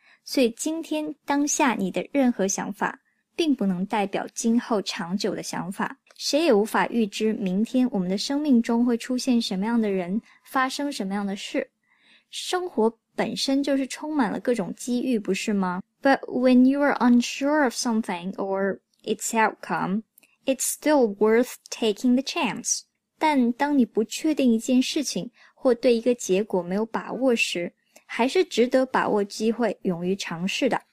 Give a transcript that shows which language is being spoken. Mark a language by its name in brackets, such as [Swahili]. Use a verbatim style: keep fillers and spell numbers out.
[Chinese] 所以今天当下你的任何想法并不能代表今后长久的想法，谁也无法预知明天我们的生命中会出现什么样的人，发生什么样的事。生活本身就是充满了各种机遇，不是吗？ [English] But when you are unsure of something or its outcome, it's still worth taking the chance。 [Chinese] 但当你不确定一件事情或对一个结果没有把握时，还是值得把握机会，勇于尝试的。